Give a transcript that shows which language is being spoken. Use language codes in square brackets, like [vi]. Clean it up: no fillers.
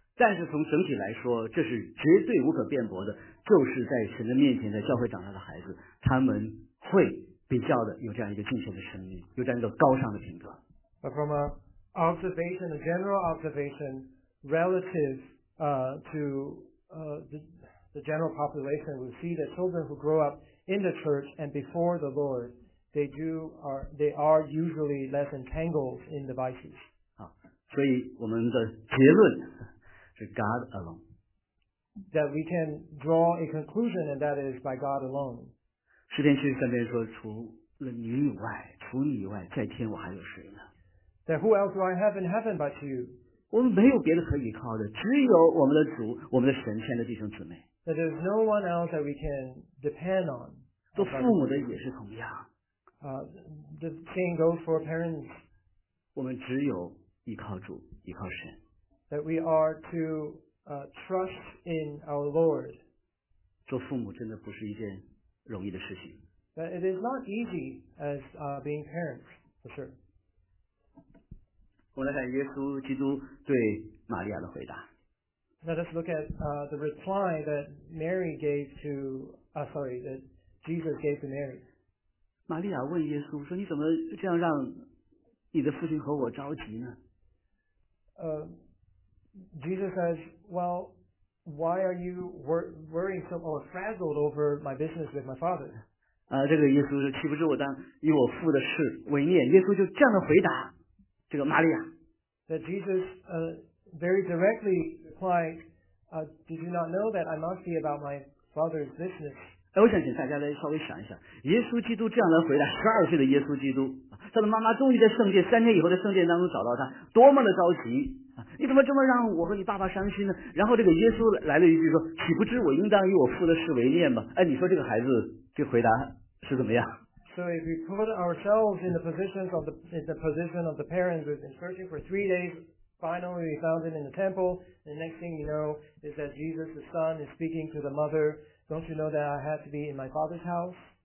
[zh] 但是从整体来说，这是绝对无可辩驳的。就是在神的面前在教会长大的孩子，他们会比较的有这样一个敬虔的生命，有这样一个高尚的品格。 [en] But from an observation, a general observation relative to the general population, we see that children who grow up in the church and before the Lord, they are usually less entangled in the vices. [zh] 好，所以我们的结论是 [en] God alone. That we can draw a conclusion, and that is by God alone. [zh] 诗篇七十三篇说，除了你以外，除你以外，在天我还有谁呢？ [en] That who else do I have in heaven but you? [zh] 我们没有别的可以靠的，只有我们的主，我们的神，亲爱的弟兄姊妹。 [en] That there is no one else that we can depend on. [zh] 做父母的也是同样。 [en] The same goes for parents. [zh] 我们只有依靠主，依靠神。 [en] That we are to. Trust in our Lord. [zh] 做父母真的不是一件容易的事情。 [en] But it is not easy as being parents, for sure. [zh] 我们来看耶稣基督对玛利亚的回答。 [en] Let us look at the reply that Mary gave to, sorry, that Jesus gave to Mary. [zh] 玛利亚问耶稣说：“你怎么这样让你的父亲和我着急呢？” [en] Jesus says, well, why are you worrying so or frazzled over my business with my father? [zh] 这个耶稣是岂不知我当以我父的事为念。耶稣就这样的回答这个玛利亚。 [en] That Jesus very directly replied, did you not know that I must be about my father's business? [zh] 我想请大家来稍微想一想，耶稣基督这样的回答，十二岁的耶稣基督，他的妈妈终于在圣殿三天以后的圣殿当中找到他，多么的着急。你怎么这么让我和你爸爸伤心呢？然后这个耶稣来了一句说，岂不知我应当以我父的事为念吗？哎，你说这个孩子这回答是怎么样？ [en] So if we put ourselves in the positions of the parents, we've been searching for 3 days, finally we found it in the temple, the next thing you know is that Jesus the son is speaking to the mother, don't you know that I have to be in my father's house?